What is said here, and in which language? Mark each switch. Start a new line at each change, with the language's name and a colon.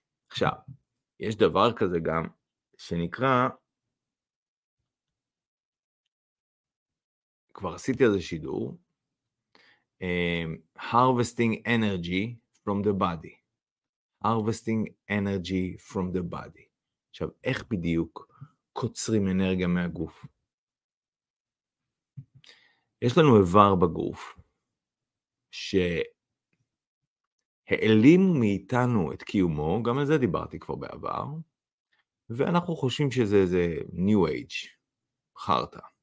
Hebrew: עכשיו, יש דבר כזה גם שנקרא, כבר עשיתי על זה שידור,
English: harvesting energy from the body. Harvesting energy from the body.
Hebrew: עכשיו, איך בדיוק קוצרים אנרגיה מהגוף? יש לנו איבר בגוף ש העלים מאיתנו את קיומו, גם על זה דיברתי כבר בעבר, ואנחנו חושבים שזה איזה New Age, חרטה.